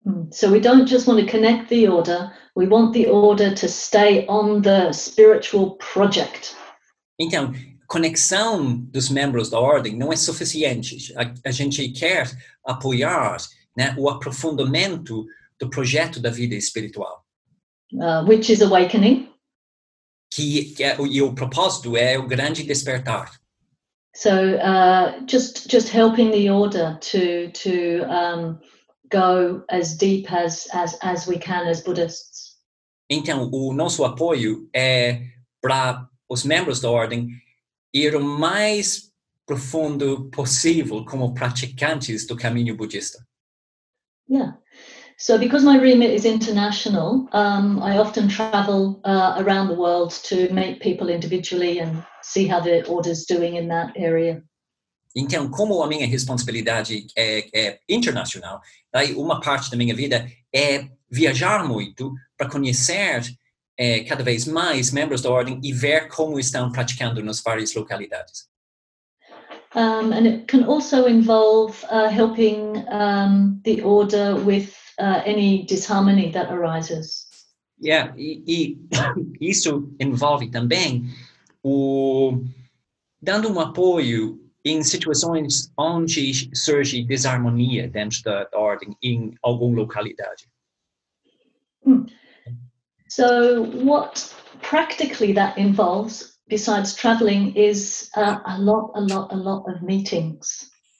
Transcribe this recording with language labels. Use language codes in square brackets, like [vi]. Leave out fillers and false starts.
[en] So we don't just want to connect the order, we want the order to stay on the spiritual project. [pt] Então, conexão dos membros da ordem não é suficiente. A gente quer apoiar, né, o aprofundamento do projeto da vida espiritual. [en] Which is awakening. [pt] E o propósito é o grande despertar. [en] So, just helping the order to go as deep as we can as Buddhists. [pt] Então, o nosso apoio é para os membros da ordem ir o mais profundo possível como praticantes do caminho budista. [en] Yeah. So because my remit is international, I often travel around the world to meet people individually and see how the order's doing in that area. [pt] Então, como a minha responsabilidade é internacional, daí uma parte da minha vida é viajar muito para conhecer cada vez mais membros da ordem e ver como estão praticando nas várias localidades. [en] And it can also involve helping the order with any disharmony that arises. [pt] Yeah, e isso envolve também dando apoio em situações onde surge desarmonia dentro da ordem em alguma localidade. [en] So what practically that involves, besides traveling, is a lot of meetings.